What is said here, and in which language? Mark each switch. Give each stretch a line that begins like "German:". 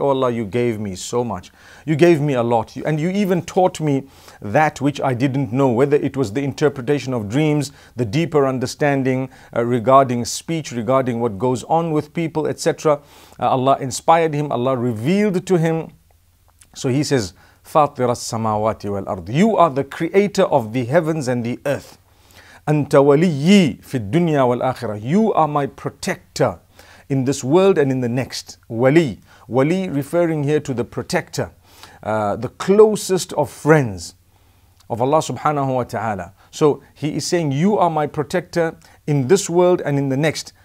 English: Oh Allah, you gave me so much. You gave me a lot. And you even taught me that which I didn't know, whether it was the interpretation of dreams, the deeper understanding regarding speech, regarding what goes on with people, etc. Allah inspired him. Allah revealed to him. So he says,
Arabic: فَاطِرَ السَّمَاوَاتِ وَالْأَرْضِ.
English: You are the creator of the heavens and the earth.
Arabic: أنت ولي في الدنيا والآخرة.
English: You are my protector in this world and in the next. ولي. ولي referring here to the protector, the closest of friends of Allah subhanahu wa ta'ala. So he is saying, you are my protector in this world and in the next.